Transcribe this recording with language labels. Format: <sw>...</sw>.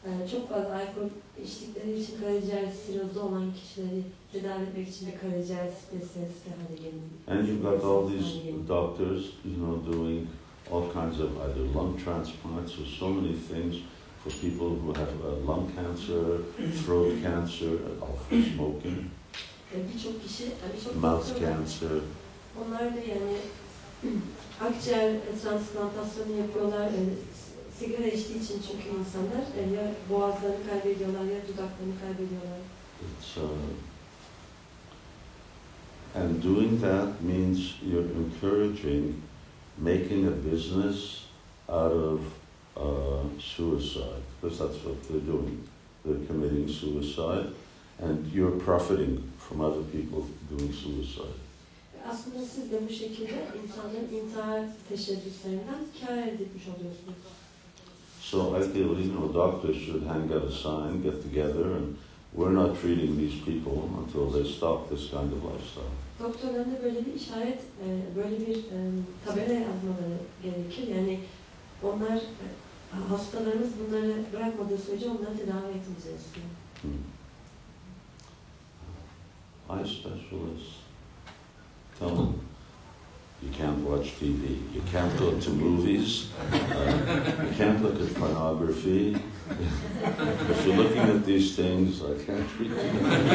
<tr>Çok fazla alkol içtikleri için karaciğer sirozu olan kişileri tedavi etmek için de karaciğer spesiyalisti hale geliyor.</tr> <en>And you've got all these doctors, you know, doing all kinds of either lung transplants or so many things for people who have lung cancer, throat cancer, often smoking.</en> <tr>Birçok kişi, birçok</tr> <en>mouth cancer.</en> <tr>Onlar da yani akciğer transplantasyonu yapıyorlar. Sigara içtiği için çünkü insanlar ya boğazlarını kaybediyorlar ya dudaklarını kaybediyorlar.</tr> <en>And doing that means you're encouraging making a business out of suicide, because that's what they're doing. They're committing suicide, and you're profiting from other people doing suicide.</en> <tr>Aslında siz de bu şekilde insanların intihar teşebbüslerinden kâr edilmiş oluyorsunuz.</tr> <en>So I feel, you know, doctors should hang out a sign, get together, and we're not treating these people until they stop this kind of lifestyle.</en> <tr>Doktorların da böyle bir işaret, böyle bir tabela yazmaları gerekir. Yani onlar, hastalarımız bunları bırakmadığı sürece onları tedavi etmemiz gerekiyor.</tr> <en>Eye specialist, tell them you can't watch TV, you can't go to movies, you can't look at pornography. If you're looking at these things, I can't treat you.</en>